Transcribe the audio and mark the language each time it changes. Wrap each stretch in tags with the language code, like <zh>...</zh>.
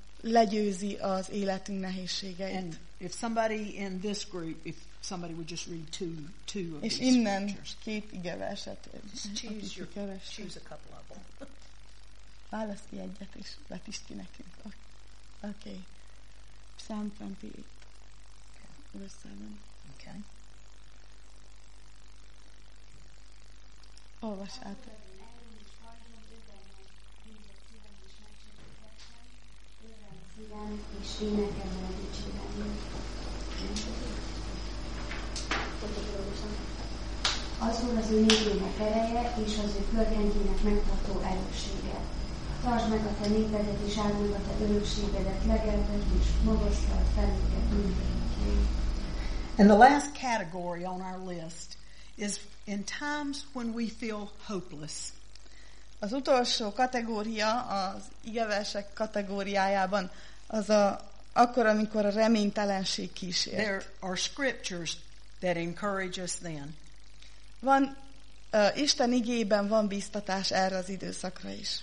<hu>Legyőzi az életünk nehézségeit.</hu> <en>And if somebody in this group, if somebody would just read two of these scriptures.</en> <hu>Két igeverset.</hu> <en>Choose a couple of them.</en> <hu>Válasz ki egyet, és vetítsd ki nekünk.</hu> <en>Okay. Psalm 28, verse 7. Okay.</en> <hu>Olvasátok. Az Úr az ő népének ereje, és az ő földjének megtartó erőssége. Tartsd meg a te népedet, és áld meg a te örökségedet, legeltet, és magasztalt felünket mindenkinek.</hu> <en>And the last category on our list is in times when we feel hopeless.</en> <hu>Az utolsó kategória az igeversek kategóriájában az a, akkor, amikor a reménytelenség kísért.</hu> <en>There are scriptures that encourage us then.</en> <hu>Van, Isten igében van biztatás erre az időszakra is.</hu>